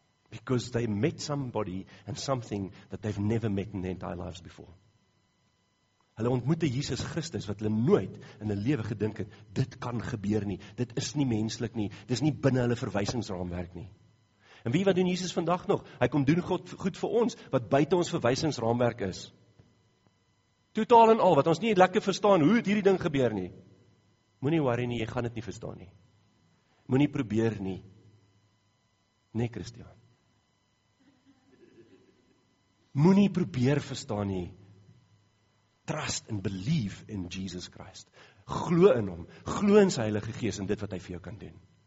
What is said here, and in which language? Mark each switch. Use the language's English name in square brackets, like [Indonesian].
[English] Because they met somebody and something that they've never met in their entire lives before. [Afrikaans] Hulle ontmoette Jesus Christus, wat hulle nooit in hulle lewe gedink het, dit kan gebeur nie, dit is nie menslik nie, dit is nie binne hulle verwysingsraamwerk nie. En wie wat doen Jesus vandag nog? Hy kom doen God goed vir ons, wat buite ons verwysingsraamwerk is. Totaal en al, wat ons nie lekker verstaan, hoe het hierdie ding gebeur nie? Moenie worry nie, jy gaan dit nie verstaan nie. Moenie probeer nie. Nee, Christiaan. Moenie probeer verstaan nie. [English] Trust and believe in Jesus Christ. [Afrikaans] Glo in hom, glo in sy Heilige Gees en dit wat hy vir jou kan doen.